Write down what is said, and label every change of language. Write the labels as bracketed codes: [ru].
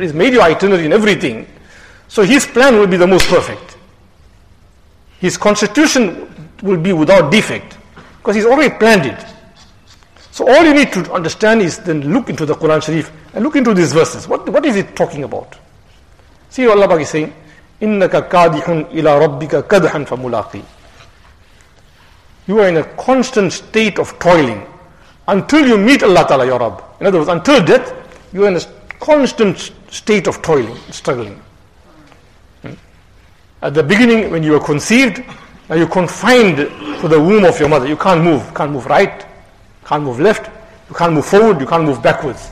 [en] He's made your itinerary in everything. So His plan will be the most perfect. His constitution will be without defect, because He's already planned it. So all you need to understand is then look into the Quran Sharif and look into these verses. What is it talking about? See what Allah is saying, [ar] إِنَّكَ كَادِحٌ إِلَىٰ رَبِّكَ كَدْحًا فَمُلَاقِي. [en] You are in a constant state of toiling until you meet Allah Ta'ala, your Rabb. In other words, until death, you are in a constant state of toiling, struggling. At the beginning, when you were conceived, now you're confined to the womb of your mother. You can't move right, can't move left, you can't move forward, you can't move backwards.